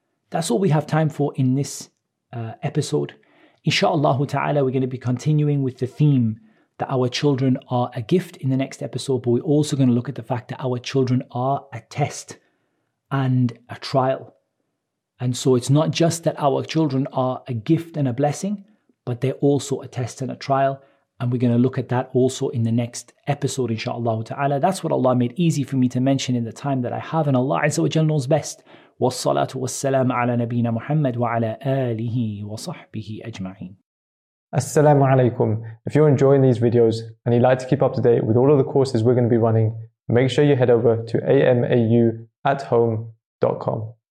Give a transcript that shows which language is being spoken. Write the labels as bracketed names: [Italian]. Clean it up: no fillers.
[English] That's all we have time for in this episode. Insha'Allah ta'ala, we're going to be continuing with the theme that our children are a gift in the next episode, but we're also going to look at the fact that our children are a test and a trial. And so it's not just that our children are a gift and a blessing, but they're also a test and a trial. And we're going to look at that also in the next episode, insha'Allah ta'ala. That's what Allah made easy for me to mention in the time that I have, and Allah Azza wa Jalla knows best. [Arabic] والصلاة والسلام على نبينا محمد وعلى آله وصحبه أجمعين. Assalamu alaikum. [English] If you're enjoying these videos and you'd like to keep up to date with all of the courses we're going to be running, make sure you head over to amauathome.com.